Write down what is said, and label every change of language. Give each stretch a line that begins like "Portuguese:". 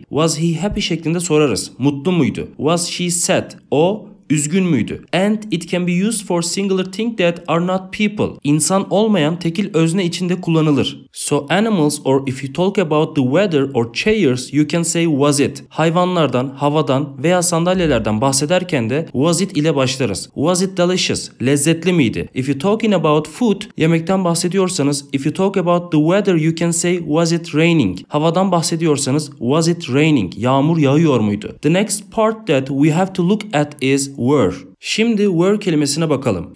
English: Was he happy
Turkish: şeklinde sorarız. Mutlu muydu?
English: Was she sad?
Turkish: O üzgün müydü?
English: And it can be used for singular thing that are not people.
Turkish: İnsan olmayan tekil özne içinde kullanılır.
English: So animals or if you talk about the weather or chairs you can say was it.
Turkish: Hayvanlardan, havadan veya sandalyelerden bahsederken de was it ile başlarız.
English: Was it delicious?
Turkish: Lezzetli miydi?
English: If you talking about food,
Turkish: yemekten bahsediyorsanız
English: if you talk about the weather you can say was it raining.
Turkish: Havadan bahsediyorsanız
English: was it raining?
Turkish: Yağmur yağıyor muydu?
English: The next part that we have to look at is were.
Turkish: Şimdi were kelimesine bakalım.